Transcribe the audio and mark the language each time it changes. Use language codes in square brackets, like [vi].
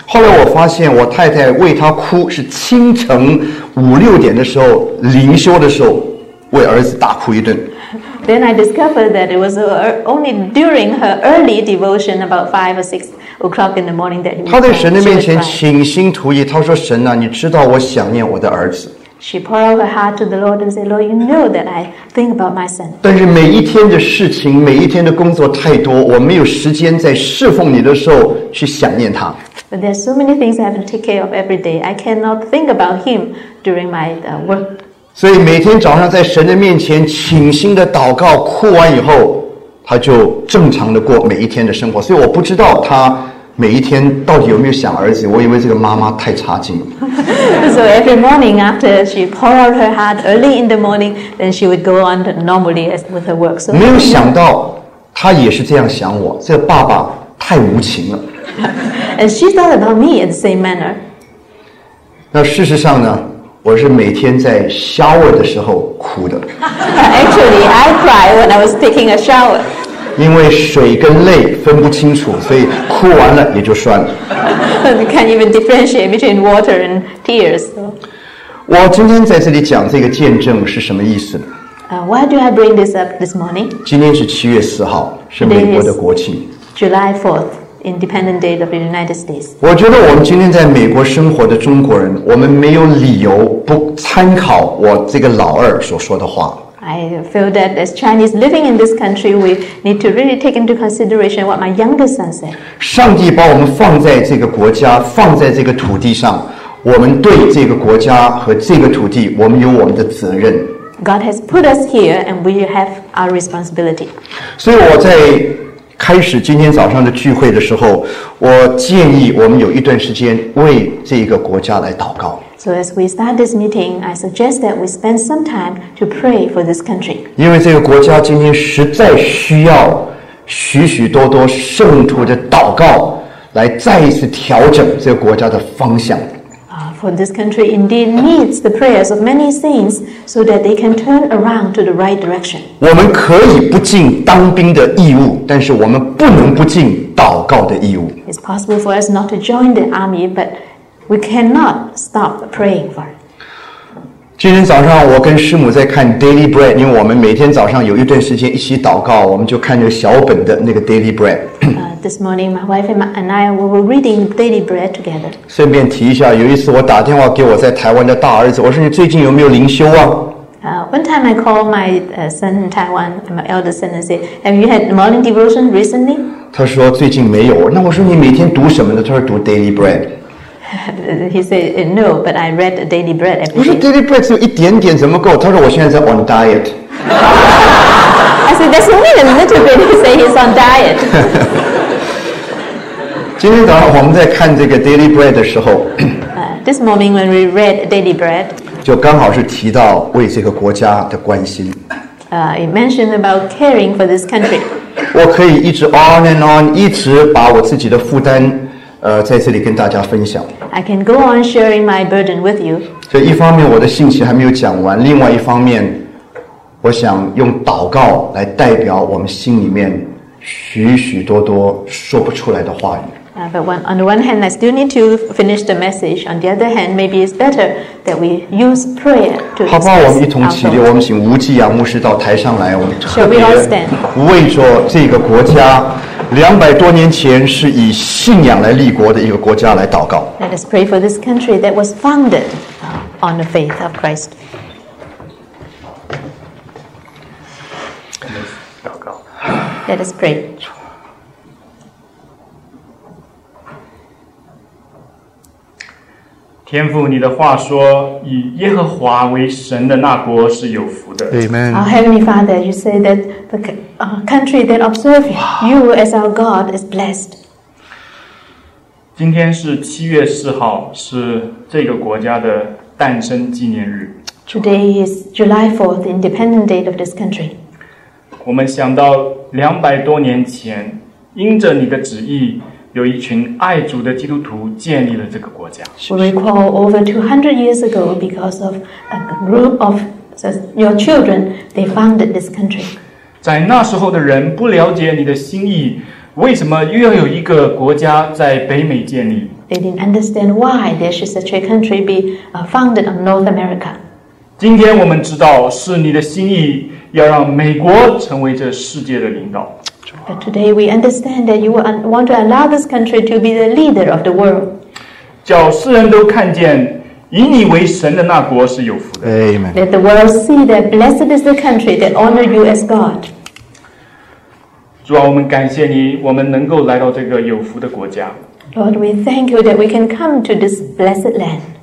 [zh] 后来我发现我太太为他哭是清晨五六点的时候灵修的时候为儿子大哭一顿。 [en] Then I discovered that it was only during her early devotion about 5 or 6 o'clock in the morning that he was crying. [zh] 她在神的面前倾心吐意，她说：“神啊，你知道我想念我的儿子。” [en] She poured out her heart to the Lord and said, "Lord, you know that I think about my son." [zh] 但是每一天的事情，每一天的工作太多，我没有时间在侍奉你的时候去想念他。 [en] But there are so many things I have to take care of every day. I cannot think about him during my work. [zh] 所以每天早上在神的面前倾心的祷告，哭完以后，他就正常的过每一天的生活。所以我不知道他每一天到底有没有想儿子，我以为这个妈妈太差劲。 [en] So every morning after she poured out her heart early in the morning, then she would go on normally with her work. So [zh] 没有想到她也是这样想我，这个爸爸太无情了。 [en] And she thought about me in the same manner. [zh] 那事实上呢，我是每天在 shower 的时候哭的。 [en] Actually, I cried when I was taking a shower. [zh] 因为水跟泪分不清楚，所以哭完了也就算了。 [en] You can't even differentiate between water and tears. [zh] 我今天在这里讲这个见证是什么意思呢？ [en] Why do I bring this up this morning? [zh] 今天是7月4号，是美国的国庆。 [en] July 4th, Independence Day of the United States. [zh] 我觉得我们今天在美国生活的中国人，我们没有理由不参考我这个老二所说的话。 [en] I feel that as Chinese living in this country, we need to really take into consideration what my younger son said. [zh] 上帝把我们放在这个国家，放在这个土地上，我们对这个国家和这个土地，我们有我们的责任。 [en] God has put us here, and we have our responsibility. [zh] 所以我在开始今天早上的聚会的时候，我建议我们有一段时间为这个国家来祷告。 [en] So as we start this meeting, I suggest that we spend some time to pray for this country. [zh] 因为这个国家今天实在需要许许多多圣徒的祷告来再一次调整这个国家的方向。 [en] For this country indeed needs the prayers of many saints so that they can turn around to the right direction. [zh] 我们可以不尽当兵的义务，但是我们不能不尽祷告的义务。 [en] It's possible for us not to join the army, but we cannot stop praying for it. [zh] 今天早上我跟师母在看 Daily Bread， 因为我们每天早上有一段时间一起祷告，我们就看着小本的那个 Daily Bread。 [en] This morning, my wife and I were reading Daily Bread together. [zh] 顺便提一下，有一次我打电话给我在台湾的大儿子，我说你最近有没有灵修啊？ [en] One time I called my son in Taiwan, my elder son, and said, "Have you had morning devotion recently?" [zh] 他说最近没有。那我说你每天读什么呢？他说读 Daily Bread。 [en] He said, "No, but I read Daily Bread every day." [zh] 我说 Daily Bread 只有一点点，怎么够？他说我现在在 [en] on diet。 I said, "That's only a little bit." He said, "He's on diet." [zh] 今天早上我们在看这个 Daily Bread 的时候 [en] This morning when we read Daily Bread [zh] 就刚好是提到为这个国家的关心 [en] It mentioned about caring for this country [zh] 我可以一直 [en] on and on [zh] 一直把我自己的负担在这里跟大家分享 [en] I can go on sharing my burden with you [zh] 所以一方面我的信息还没有讲完另外一方面我想用祷告来代表我们心里面许许多多说不出来的话语 [en] But on the one hand, I still need to finish the message. On the other hand, maybe it's better that we use prayer to express our thoughts. [zh] 好吧，我们一同起立，我们请吴继阳牧师到台上来，我们特别为着这个国家，200多年前是以信仰来立国的一个国家来祷告。 [en] Let us pray for this country that was founded on the faith of Christ. [zh] 祷告。 [en] Let us pray. [zh] 天父，你的话说，以耶和华为神的那国是有福的。 [en] Amen. Our Heavenly Father, you say that the country that observes you as our God is blessed. [zh] 今天是7月4号，是这个国家的诞生纪念日。 [en] Today is July 4th, Independence Day of this country. [zh] 我们想到200多年前，因着你的旨意，有一群爱主的基督徒建立了这个国家。 [en] We recall over 200 years ago, because of a group of your children, they founded this country. [zh] 在那时候的人不了解你的心意，为什么又要有一个国家在北美建立？ [en] They didn't understand why there should such a country be founded on North America. [zh] 今天我们知道是你的心意要让美国成为这世界的领导。 [en] But today we understand that you want to allow this country to be the leader of the world. [zh] 叫世人都看见以你为神的那国是有福的。 [en] Amen. Let the world see that blessed is the country that honors you as God. [zh] 主啊，我们感谢你，我们能够来到这个有福的国家。 [en] Lord, we thank you that we can come to this blessed land.